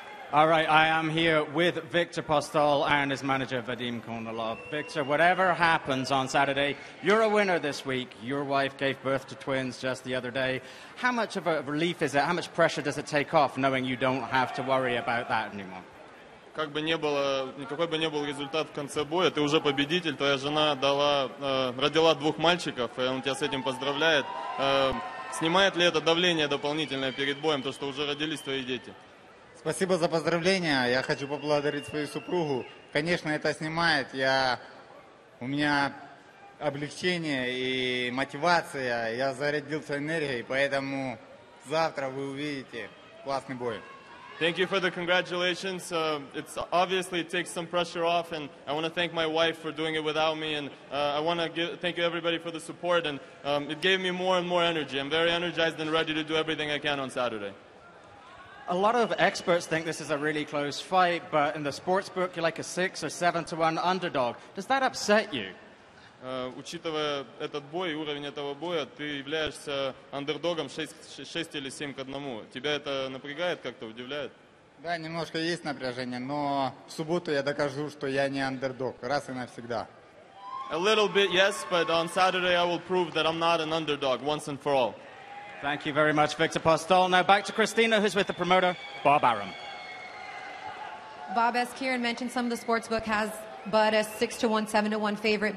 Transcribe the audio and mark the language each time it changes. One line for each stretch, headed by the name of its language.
English: All right, I am here with Víctor Postol and his manager, Vadim Konolov. Víctor, whatever happens on Saturday, you're a winner this week. Your wife gave birth to twins just the other day. How much of a relief is it? How much pressure does it take off knowing you don't have to worry about that anymore?
Russian: Как бы не было, никакой бы не был результат в конце боя, ты уже победитель, твоя жена дала, родила двух мальчиков, и он тебя с этим поздравляет. Снимает ли это давление дополнительное перед боем, то, что уже родились твои дети? Спасибо за поздравления. Я хочу поблагодарить свою супругу. Конечно, это снимает. У меня облегчение и мотивация. Я зарядился энергией, поэтому завтра вы увидите классный бой.
English: Thank you for the congratulations. It's obviously it takes some pressure off, and I want to thank my wife for doing it without me. And I want to thank you everybody for the support. And it gave me more and more energy. I'm very energized and ready to do everything I can on Saturday. A lot of experts think this is a really close fight, but in the sports book, you're like a 6 or 7 to 1 underdog. Does that upset you?
Russian: Учитывая этот бой и уровень этого боя, ты являешься андердогом 6 или 7 к 1. Тебя это напрягает как-то, удивляет? Да, немножко есть напряжение, но в субботу я докажу, что я не андердог, раз и навсегда.
English: A little bit, yes, but on Saturday I will prove that I'm not an underdog once and for all. Thank you very much, Víctor Postol. Now back to Crystina, who's with the promoter, Bob Arum. Bob, as Kieran mentioned, some of the sportsbook has but a 6-1, 7-1 favorite.